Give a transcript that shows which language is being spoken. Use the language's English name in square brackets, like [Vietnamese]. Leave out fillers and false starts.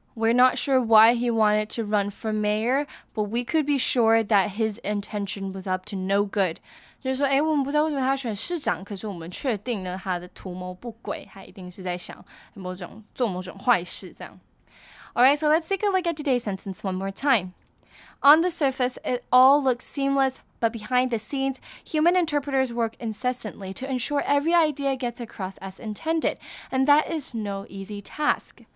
[English] We're not sure why he wanted to run for mayor, but we could be sure that his intention was up to no good. [Chinese] 就是说，哎，我们不知道为什么他要选市长，可是我们确定呢，他的图谋不轨，他一定是在想某种做某种坏事这样。 [English] All right, so let's take a look at today's sentence one more time. On the surface, it all looks seamless, but behind the scenes, human interpreters work incessantly to ensure every idea gets across as intended, and that is no easy task.